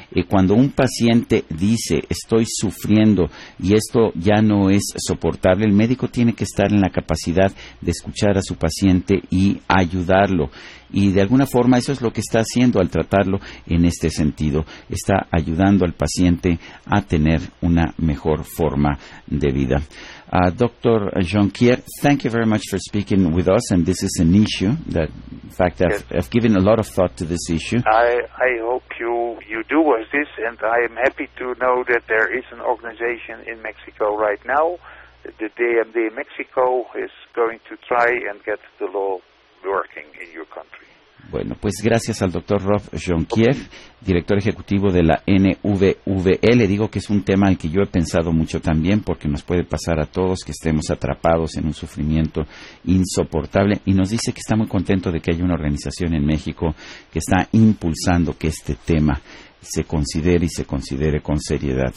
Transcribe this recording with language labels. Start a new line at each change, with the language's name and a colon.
Spanish: Cuando un paciente dice, estoy sufriendo y esto ya no es soportable, el médico tiene que estar en la capacidad de escuchar a su paciente y ayudarlo. Y de alguna forma eso es lo que está haciendo al tratarlo en este sentido. Está ayudando al paciente a tener una mejor forma de vida.
English: Dr. Jonquier, thank you very much for speaking with us. And this is an issue, that fact that I've given a lot of thought to this issue. I hope you do with this. And I am happy to know that there is an organization in Mexico right now. The DMD Mexico is going to try and get the law working in your country.
Spanish: Bueno, pues gracias al doctor Rob Jonquier, director ejecutivo de la NVVL. Le digo que es un tema al que yo he pensado mucho también, porque nos puede pasar a todos que estemos atrapados en un sufrimiento insoportable. Y nos dice que está muy contento de que haya una organización en México que está impulsando que este tema se considere y se considere con seriedad.